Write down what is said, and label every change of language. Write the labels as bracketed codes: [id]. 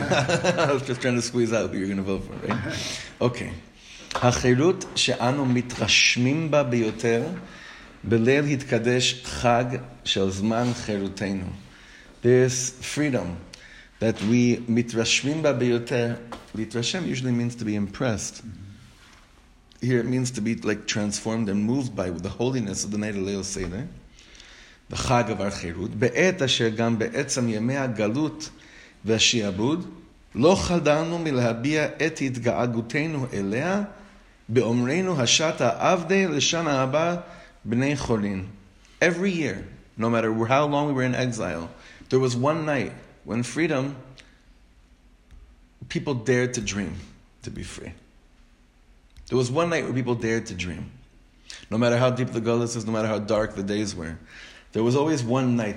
[en] I was just trying to squeeze out who you're going to vote for, right? Okay. [he] החירות שאנו מתרשמים בה ביותר בליל התקדש חג של זמן חירותנו. [en] This freedom that we [he] מתרשמים בה ביותר, להתרשם [en] usually means to be impressed. Here it means to be like transformed and moved by the holiness of the night of Leil Seder. [he] בחג עבר חירות, בעת אשר גם בעצם ימי הגלות והשיעבוד, לא חדלנו מלהביע את התגעגותנו אליה, באומרנו השתא עבדי לשנה הבא בני חורין. [en] Every year, no matter how long we were in exile, there was one night when freedom, people dared to dream to be free. There was one night where people dared to dream. No matter how deep the galus is, no matter how dark the days were, there was always one night.